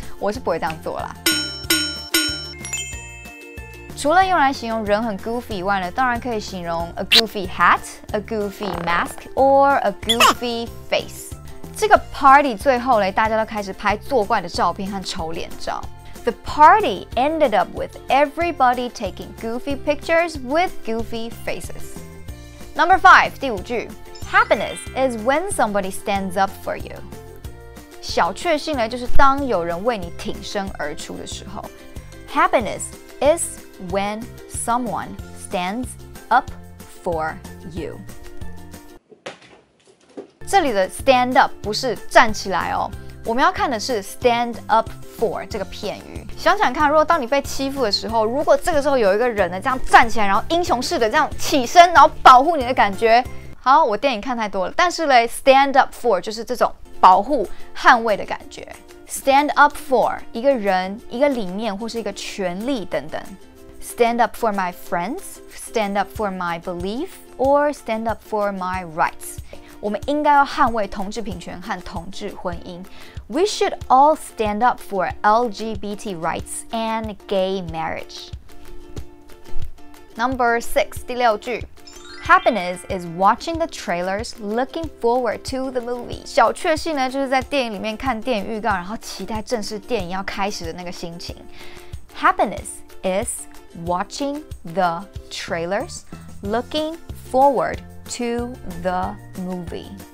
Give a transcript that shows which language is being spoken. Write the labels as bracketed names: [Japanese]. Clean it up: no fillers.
[Chinese] 我是不会这样做啦。除了用来形容人很 goofy 以外呢，当然可以形容 [English] a goofy hat, a goofy mask, or a goofy face。 [Chinese] 这个 party 最后呢，大家都开始拍作怪的照片和丑脸照。 [English] The party ended up with everybody taking goofy pictures with goofy faces。 Number 5， [Chinese] 第五句 [English] ，Happiness is when somebody stands up for you。 [Chinese] 小确幸呢，就是当有人为你挺身而出的时候。 [English] Happiness is when someone stands up for you。 [Chinese] 这里的 stand up 不是站起来哦，我们要看的是 stand up for 这个片语。想想看，如果当你被欺负的时候，如果这个时候有一个人呢，这样站起来，然后英雄式的这样起身，然后保护你的感觉。好，我电影看太多了，但是嘞 ，stand up for 就是这种保护、捍卫的感觉。 Stand up for 一个人、一个理念或是一个权利等等。 [English] Stand up for my friends, stand up for my belief, or stand up for my rights. [Chinese] 我们应该要捍卫同志平权和同志婚姻。 [English] We should all stand up for LGBT rights and gay marriage. Number 6, [Chinese] 第六句。 [English] Happiness is watching the trailers, looking forward to the movie. [Chinese] 小确幸呢，就是在电影里面看电影预告，然后期待正式电影要开始的那个心情。 [English] Happiness is watching the trailers, looking forward to the movie.